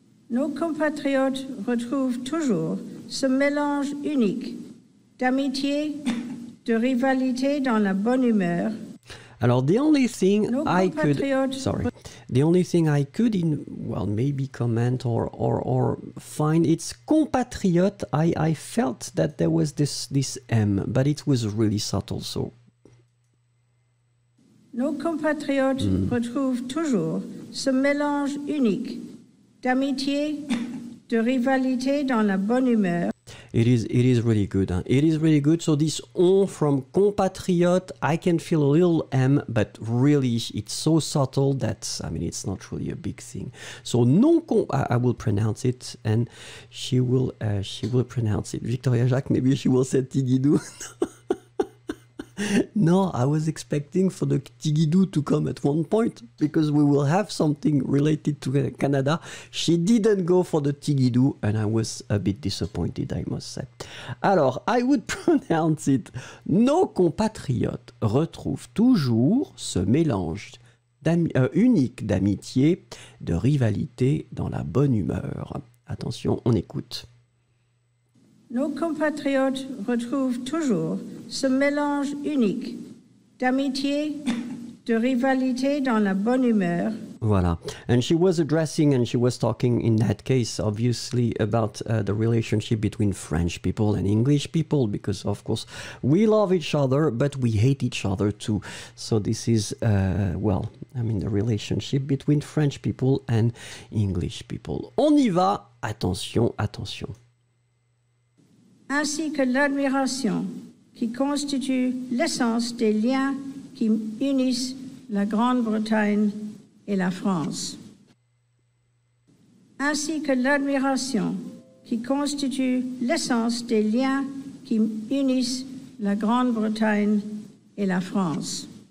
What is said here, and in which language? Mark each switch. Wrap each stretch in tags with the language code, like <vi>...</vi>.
<fr>Nos compatriotes retrouvent toujours ce mélange unique d'amitié, de rivalité dans la bonne humeur.</fr> <en>Alors, the only thing I could find it's compatriote. I felt that there was this M, but it was really subtle. So,</en> <fr>nos compatriotes retrouvent toujours ce mélange unique d'amitié, de rivalité dans la bonne humeur.</fr> <en>It is really good. Huh? It is really good. So this "on" from Compatriot, I can feel a little M, but really it's so subtle that, I mean, it's not really a big thing. So "non com," I will pronounce it, and she will pronounce it. Victoria Jacques, maybe she will say Tigidou. No, I was expecting for the Tigidou to come at one point, because we will have something related to Canada. She didn't go for the Tigidou, and I was a bit disappointed, I must say. Alors, I would pronounce it.</en> <fr>Nos compatriotes retrouvent toujours ce mélange unique d'amitié, de rivalité dans la bonne humeur. Attention, on écoute. Nos compatriotes retrouvent toujours ce mélange unique d'amitié, de rivalité dans la bonne humeur. Voilà.</fr> <en>And she was addressing, and she was talking in that case, obviously, about the relationship between French people and English people, because, of course, we love each other, but we hate each other too. So this is, the relationship between French people and English people.</en> <fr>On y va. Attention, attention. Ainsi que l'admiration qui constitue l'essence des liens qui unissent la Grande-Bretagne et la France. Ainsi que l'admiration qui constitue l'essence des liens qui unissent la Grande-Bretagne et la France.</fr>